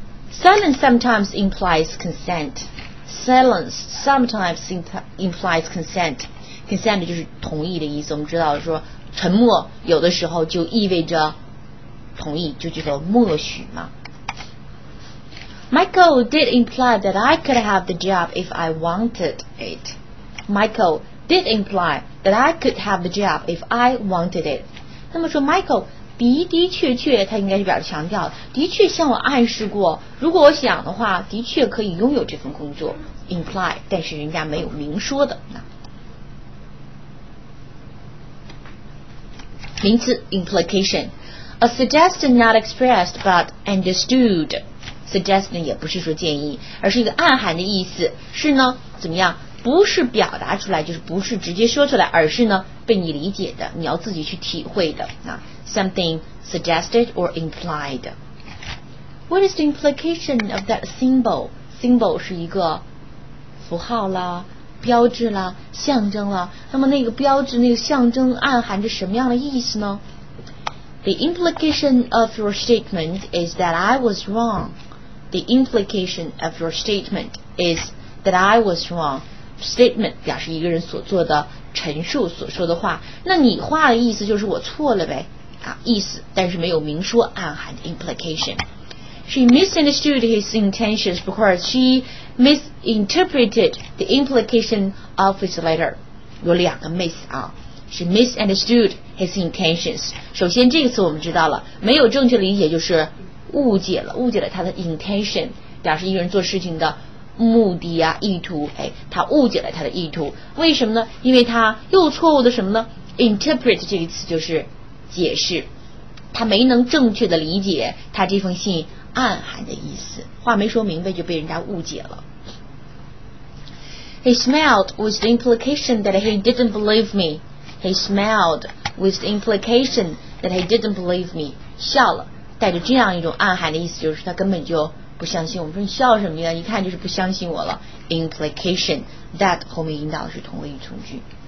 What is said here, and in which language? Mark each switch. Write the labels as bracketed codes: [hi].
[en] Silence sometimes implies consent. Silence sometimes implies consent. [zh] Consent 就是同意的意思。我们知道说，沉默有的时候就意味着同意，就叫做默许嘛。 [en] Michael did imply that I could have the job if I wanted it. Michael did imply that I could have the job if I wanted it. [zh] 那么说 Michael 的的确确，他应该是表示强调的确向我暗示过，如果我想的话的确可以拥有这份工作， imply， 但是人家没有明说的。名词 implication， [en] a suggestion not expressed but understood， [zh] suggestion 也不是说建议，而是一个暗含的意思，是呢怎么样，不是表达出来，就是不是直接说出来，而是呢被你理解的，你要自己去体会的啊。 [en] Something suggested or implied. What is the implication of that symbol? [zh] Symbol 是一个符号啦、标志啦、象征啦。那么那个标志、那个象征暗含着什么样的意思呢？ [en] The implication of your statement is that I was wrong. The implication of your statement is that I was wrong. Statement [zh] 表示一个人所做的陈述所说的话，那你话的意思就是我错了呗，啊，意思，但是没有明说暗含的 implication。 [en] She misunderstood his intentions because she misinterpreted the implication of his letter. [zh] 有两个 miss 啊。 [en] She misunderstood his intentions. [zh] 首先这个词我们知道了，没有正确理解就是误解了，误解了他的 intention， 表示一个人做事情的目的啊，意图，哎，他误解了他的意图。为什么呢？因为他又错误的什么呢？interpret 这个词就是解释，他没能正确的理解他这封信暗含的意思，话没说明白就被人家误解了。 [en] He smiled with the implication that he didn't believe me. He smiled with the implication that he didn't believe me. [zh] 笑了，带着这样一种暗含的意思，就是他根本就不相信。我们说你笑什么呀？一看就是不相信我了。 Implication that 后面引导的是同位语从句。